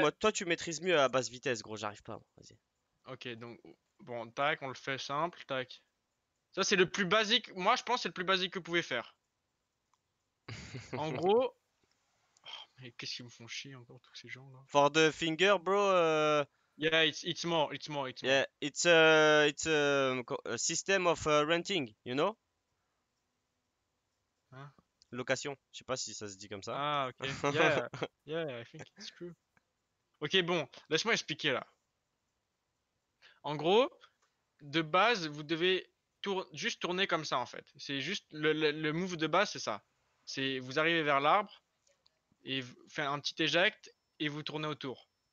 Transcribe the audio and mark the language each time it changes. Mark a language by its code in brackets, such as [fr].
[fr] Moi, toi, tu maîtrises mieux à basse vitesse, gros, j'arrive pas. Vas-y. Ok, donc, bon, tac, on le fait simple, tac. Ça, c'est le plus basique, moi, je pense, c'est le plus basique que vous pouvez faire. En gros. Oh, mais qu'est-ce qu'ils me font chier encore, tous ces gens-là? [en] For the finger, bro. Yeah, it's more. Yeah, it's a system of renting, you know? [fr] Hein? Location, je sais pas si ça se dit comme ça. [en] Ah, ok. Yeah, I think it's true. Ok, [fr] bon, laisse-moi expliquer là. En gros, de base, vous devez juste tourner comme ça en fait. C'est juste le move de base, c'est ça. C'est vous arrivez vers l'arbre et vous faites un petit éject et vous tournez autour.